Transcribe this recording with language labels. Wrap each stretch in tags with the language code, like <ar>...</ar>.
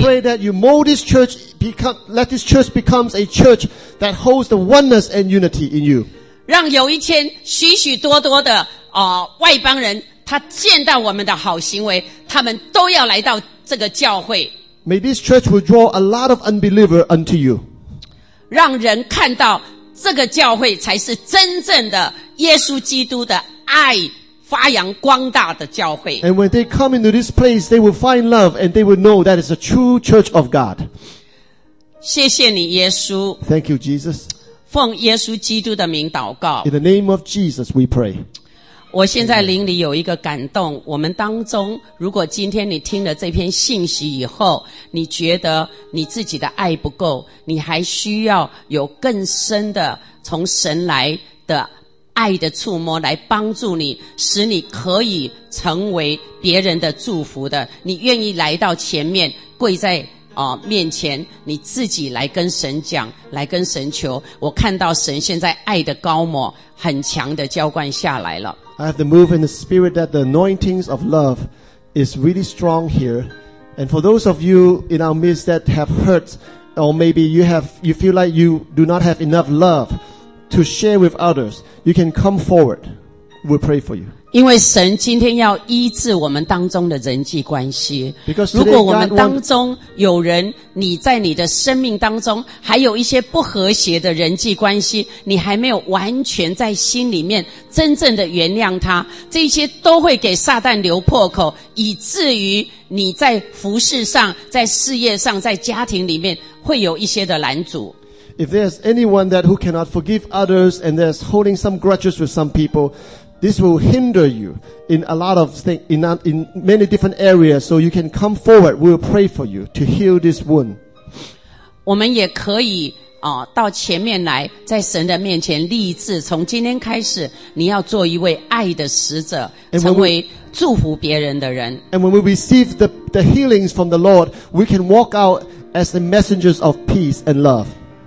<en>Lord, I pray that you mold this church. Let this church become a church that holds the oneness and unity in you.</en> <zh>让有一天许许多多的外邦人，他见到我们的好行为，他们都要来到这个教会。</zh> <en>May this church will draw a lot of unbelievers unto you.</en> <zh>让人看到这个教会才是真正的耶稣基督的爱发扬光大的教会。</zh> <en>And when they come into this place, they will find love and they will know that it's a true church of God.</en> <zh>谢谢你耶稣。</zh> <en>Thank you, Jesus.</en> <zh>奉耶稣基督的名祷告。</zh> <en>In the name of Jesus, we pray.</en> <zh>我现在灵里有一个感动，我们当中，如果今天你听了这篇信息以后，你觉得你自己的爱不够，你还需要有更深的从神来的爱的触摸来帮助你，使你可以成为别人的祝福的，你愿意来到前面，跪在面前，你自己来跟神讲，来跟神求。我看到神现在爱的膏抹很强的浇灌下来了。</zh> <en>I have the move in the spirit that the anointings of love is really strong here. And for those of you in our midst that have hurt, or maybe you feel like you do not have enough love to share with others, you can come forward. We'll pray for you.</en> <zh>因为神今天要医治我们当中的人际关系。如果我们当中有人，你在你的生命当中还有一些不和谐的人际关系，你还没有完全在心里面真正的原谅他，这些都会给撒旦留破口，以至于你在服事上，在事业上，在家庭里面会有一些的拦阻。</zh> <en>If there's anyone that who cannot forgive others and there's holding some grudges with some people,This will hinder you in a lot of things, in many different areas, so you can come forward. We'll pray for you to heal this wound.</en> <zh>我们也可以到前面来，在神的面前立志，从今天开始，你要做一位爱的使者，成为祝福别人的人。</zh> <en>And when we receive the healings from the Lord, we can walk out as the messengers of peace and love.</en>